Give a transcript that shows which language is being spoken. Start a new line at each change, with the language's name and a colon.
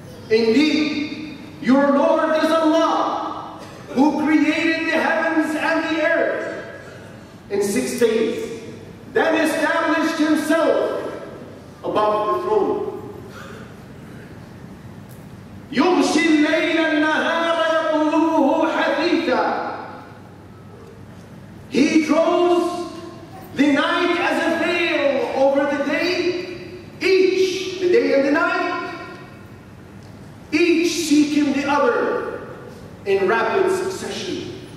English: Indeed, your Lord is Allah, who created the heavens and the earth in 6 days, then established himself above the throne.
Arabic: يغشي الليل النهار يطلبه حثيثا.
English: He draws the night as a veil over the day, each, the day and the night, each seeking the other in rapid succession.